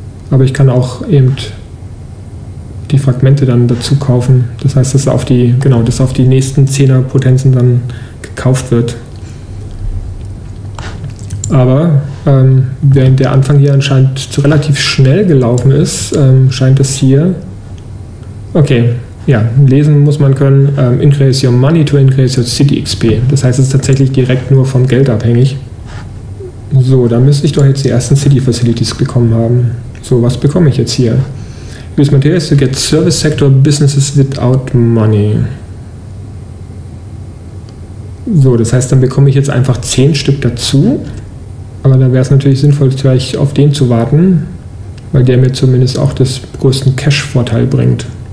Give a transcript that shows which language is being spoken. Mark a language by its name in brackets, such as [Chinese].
[German] Aber ich kann auch eben die Fragmente dann dazu kaufen. Das heißt, dass auf die, genau, dass auf die nächsten 10er Potenzen dann gekauft wird. Aber während der Anfang hier anscheinend relativ schnell gelaufen ist, scheint es hier. Okay, ja, lesen muss man können. [English] Increase your money to increase your city XP. [German] Das heißt, es ist tatsächlich direkt nur vom Geld abhängig. So, da müsste ich doch jetzt die ersten City Facilities bekommen haben. So, was bekomme ich jetzt hier? [English] Use materials to get service sector businesses without money. [German] So, das heißt, dann bekomme ich jetzt einfach 10 Stück dazu. Aber da wäre es natürlich sinnvoll, vielleicht auf den zu warten, weil der mir zumindest auch das größten Cash-Vorteil bringt.